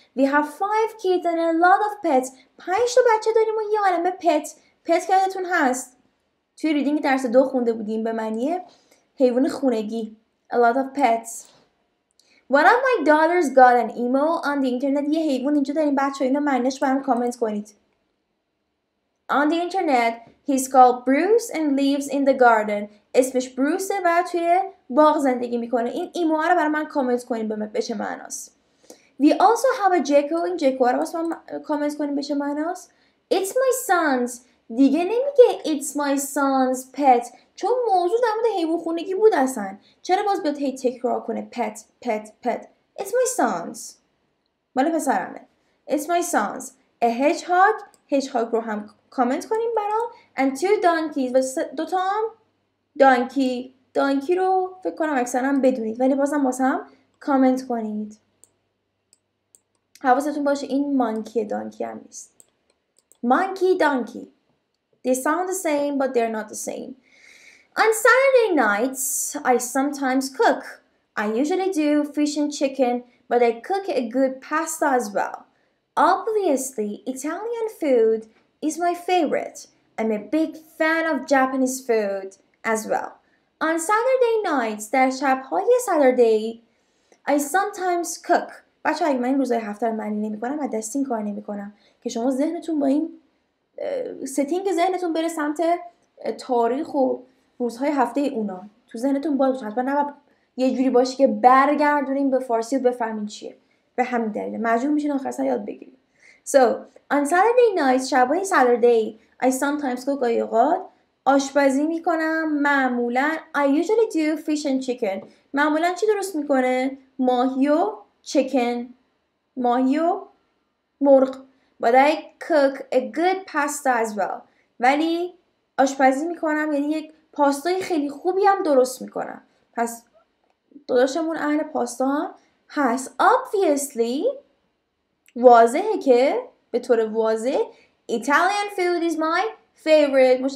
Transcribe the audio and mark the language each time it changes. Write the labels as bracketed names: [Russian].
[English] We have 5 kids and a lot of pets. [Persian] 5 تا بچه داریم و یه عالمه پت. پت یادتون هست توی ریدینگ درس 2 خونده بودیم به معنی حیوان خونگی. [English] A lot of pets. One of my daughters got an emo on the internet. [Persian] یه حیوان اینجا داریم بچه ها، اینو معنیش برام کامنت کنید. [English] On the internet, he's called Bruce and lives in the garden. [Persian] اسمش بروسه و توی باغ زندگی میکنه. این ایمو ها رو برای من کامنت کنید به چه معناست. [English] We also have a Jacko in Jacko. [Persian] رو بسیم کامنت کنیم بشه معناس. [English] It's my son's. [Persian] دیگه نمیگه [English] It's my son's pet. [Persian] چون موضوع در مورد حیوان خونگی بود اصلا. چرا باز بیاد هی تکرار کنه [English] pet, pet, pet. It's my son's. [Persian] مال پسرمه. [English] It's my son's. A hedgehog. [Persian] Hedgehog رو هم کامنت کنیم برام. And two donkeys. و دوتا هم donkey. Donkey رو فکر کنم اکثرا هم بدونید. ولی بازم بازم کامنت کنید. حواستون باشه این monkey donkey هم نیست. [English] Monkey donkey. They sound the same but they're not the same. On Saturday nights, I sometimes cook. I usually do fish and chicken, but I cook a good pasta as well. Obviously, Italian food is my favorite. I'm a big fan of Japanese food as well. On Saturday nights, [Persian] در شبهای [English] Saturday, I sometimes cook. [Persian] بچه اگه من این روزای هفته رو معنی نمی کنم، دست این کار نمی کنم که شما ذهنتون با این ستینگ ذهنتون بره سمت تاریخ و روزهای هفته اونا. تو ذهنتون باید حتما نباید یه جوری باشه که برگردونیم به فارسی و بفهمین چیه. به همین دلیل مجبور میشین آخر سر یاد بگیریم. [English] So, on Saturday nights, شبای Saturday, I sometimes cook [Persian] گاهی اوقات آشپزی میکنم. [English] معمولا I usually do fish and chicken. [Persian] معمولا چی درست میکنه؟ ماهی و چیکن. ماهی و مرغ. [English] But I cook a good pasta as well. [Persian] ولی آشپزی میکنم، یعنی یک پاستای خیلی خوبی هم درست میکنم. پس داداشمون اهل پاستا هست. [English] Obviously [Persian] واضحه که به طور واضح [English] Italian food is my favorite.